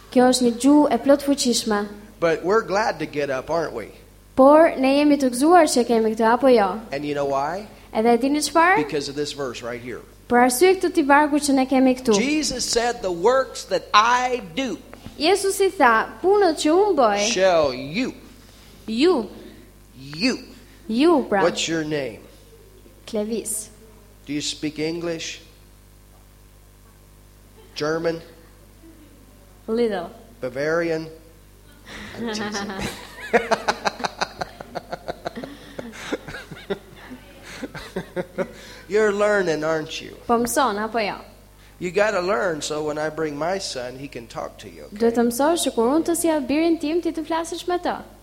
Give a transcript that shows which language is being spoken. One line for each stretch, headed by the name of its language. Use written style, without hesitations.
Albanian: Kjo është një gjuhë e plot fuqishme.
English: But we're glad to get up, aren't we?
Albanian: Por ne jemi të gëzuar që kemi këtë apo jo?
English: And you know why?
Albanian: Edhe dini çfarë?
English: Because of this verse right here.
Albanian: Për arsye këtë të vargu që ne kemi këtu.
English: Jesus said the works that I do.
Albanian: Jezusi tha, punët që unë bëj.
English: Shall you. You. You. You, bra. What's your name? Clevis. Do you speak English? German? Little. Bavarian? You're learning, aren't you?
Albanian: Po mëson apo jo?
English: You got to learn so when I bring my son, he can talk to you.
Albanian: Do të mësosh që kur unë të sjell birin tim ti të flasësh me të.